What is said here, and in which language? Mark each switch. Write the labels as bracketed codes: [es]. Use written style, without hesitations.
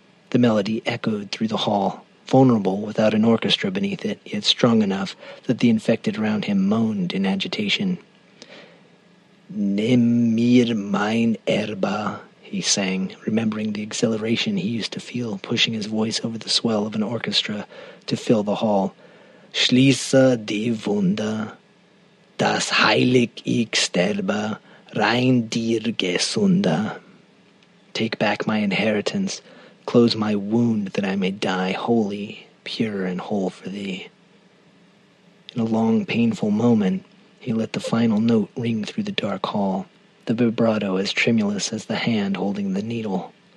[en] The melody echoed through the hall, vulnerable without an orchestra beneath it, yet strong enough that the infected round him moaned in agitation. [de] Nimm mir mein Erba, [en] he sang, remembering the exhilaration he used to feel, pushing his voice over the swell of an orchestra to fill the hall. [de] Schließe die Wunde, das heilig ich sterbe, rein dir gesunde. [en] Take back my inheritance, close my wound that I may die holy, pure and whole for thee. In a long, painful moment, he let the final note ring through the dark hall, the vibrato as tremulous as the hand holding the needle.